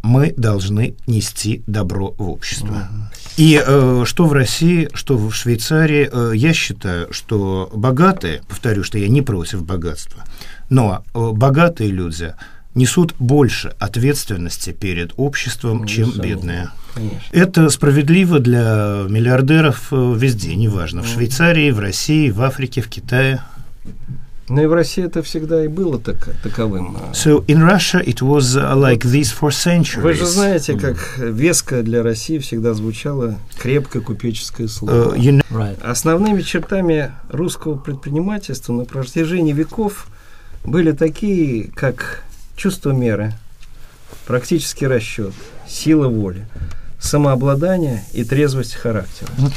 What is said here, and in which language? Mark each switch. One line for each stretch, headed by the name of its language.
Russian: Мы должны нести добро в общество. И что в России, что в Швейцарии, я считаю, что богатые, повторю, что я не против богатства, но богатые люди несут больше ответственности перед обществом, чем бедные. Конечно. Это справедливо для миллиардеров везде, неважно, в Швейцарии, в России, в Африке, в Китае. Ну и в России это всегда и было таковым.
English: So in Russia it was like this for centuries.
Russian: Вы же знаете, как веско для России всегда звучало крепкое купеческое слово. Основными чертами русского предпринимательства на протяжении веков были такие, как чувство меры, практический расчет, сила воли, самообладание и трезвость характера.